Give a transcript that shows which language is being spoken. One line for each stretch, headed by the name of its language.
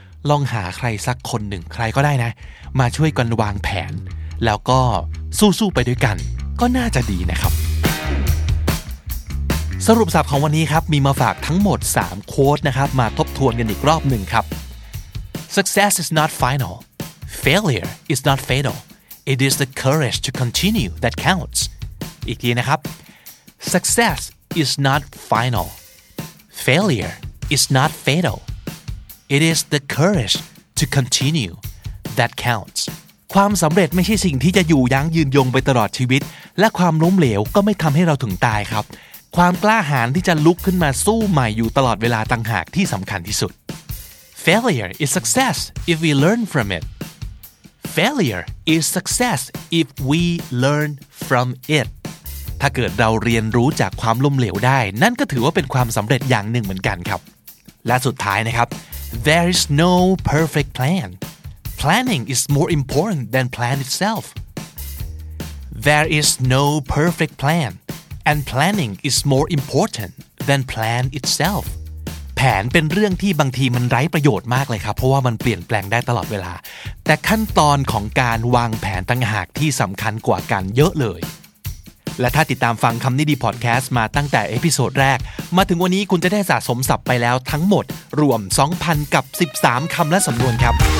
Thai: ลองหาใครสักคนหนึ่งใครก็ได้นะมาช่วยกันวางแผนแล้วก็สู้ๆไปด้วยกันก็น่าจะดีนะครับสรุปศัพท์ของวันนี้ครับมีมาฝากทั้งหมด3โค้ดนะครับมาทบทวนกันอีกรอบหนึ่งครับ
English: Success is not final. Failure is not fatal. It is the courage to continue that counts.
Thai: อีกทีนะครับ
English: Success is not final. Failure is not fatal. It is the courage to continue that counts.
Thai: ความสำเร็จไม่ใช่สิ่งที่จะอยู่ยั้งยืนยงไปตลอดชีวิตและความล้มเหลวก็ไม่ทำให้เราถึงตายครับความกล้าหาญที่จะลุกขึ้นมาสู้ใหม่อยู่ตลอดเวลาต่างหากที่สำคัญที่สุด
English: Failure is success if we learn from it. Failure is success if we learn from it.
Thai: ถ้าเกิดเราเรียนรู้จากความล้มเหลวได้นั่นก็ถือว่าเป็นความสำเร็จอย่างหนึ่งเหมือนกันครับและสุดท้ายนะครับ
English: There is no perfect plan. Planning is more important than plan itself. There is no perfect plan. And planning is more important than plan itself.
Thai: แผนเป็นเรื่องที่บางทีมันไร้ประโยชน์มากเลยครับเพราะว่ามันเปลี่ยนแปลงได้ตลอดเวลาแต่ขั้นตอนของการวางแผนต่างหากที่สำคัญกว่ากันเยอะเลยและถ้าติดตามฟังคำนี้ดีพอดแคสต์มาตั้งแต่เอพิโซดแรกมาถึงวันนี้คุณจะได้สะสมศัพท์ไปแล้วทั้งหมดรวม 2,000 กับ 13 คำและสำนวนครับ